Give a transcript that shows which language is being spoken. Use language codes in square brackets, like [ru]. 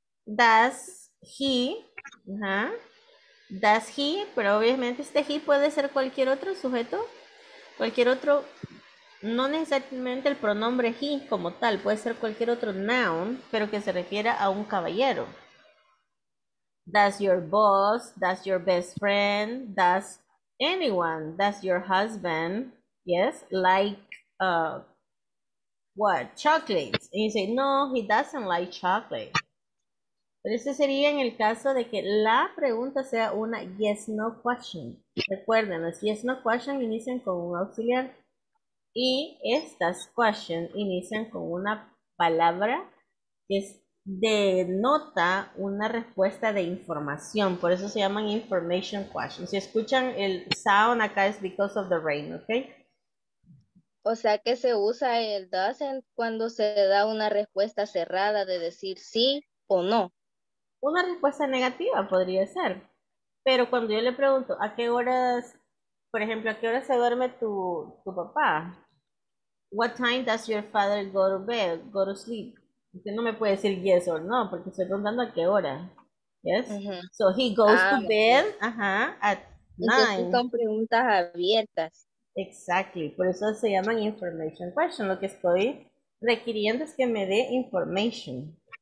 [es] Does he, does he, pero obviamente este he puede ser cualquier otro sujeto, cualquier otro, no necesariamente el pronombre he como tal, puede ser cualquier otro noun, pero que se refiera a un caballero. [en] Does your boss, does your best friend, does anyone, does your husband, yes, like what, chocolates? And you say, no, he doesn't like chocolate. [es] Pero ese sería en el caso de que la pregunta sea una yes, no question. Recuerden, las yes, no question inician con un auxiliar. Y estas questions inician con una palabra que es denota una respuesta de información, por eso se llaman information questions. Si escuchan el sound acá es [en] because of the rain, [es] ¿ok? O sea que se usa el doesn't cuando se da una respuesta cerrada de decir sí o no. Una respuesta negativa podría ser, pero cuando yo le pregunto a qué horas Por ejemplo, ¿a qué hora se duerme tu papá? [en] What time does your father go to bed, go to sleep? [es] Usted no me puede decir [en] yes or no, [es] porque estoy preguntando a qué hora. [en] Yes? Uh-huh. So he goes to bed, at 9. [es] Son preguntas abiertas. [en] Exactly. [es] Por eso se llaman information question. Lo que estoy requiriendo es que me dé information.